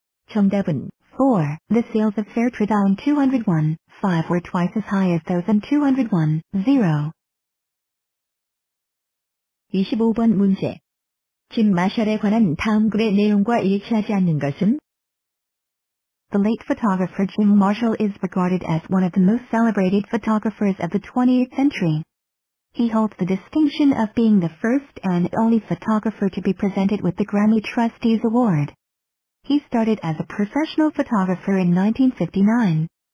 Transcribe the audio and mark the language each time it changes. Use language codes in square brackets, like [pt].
[ko] 정답은 4. [en] The sales of fair trade on 201, 5 were twice as high as those in 201, 0. [ko] 25번 문제. 짐 마셜에 관한 다음 글의 내용과 일치하지 않는 것은? [en] The late photographer Jim Marshall is regarded as one of the most celebrated photographers of the 20th century. He holds the distinction of being the first and only photographer to be presented with the Grammy Trustees Award. He started as a professional photographer in 1959.